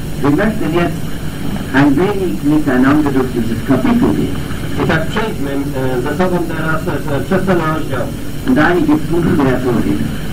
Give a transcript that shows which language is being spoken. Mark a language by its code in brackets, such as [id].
[de] Wir möchten jetzt ein wenig miteinander durch dieses Kapitel gehen. [pl] I tak przejdźmy ze sobą teraz przez ten rozdział. [de] Und einige Punkte hervorheben.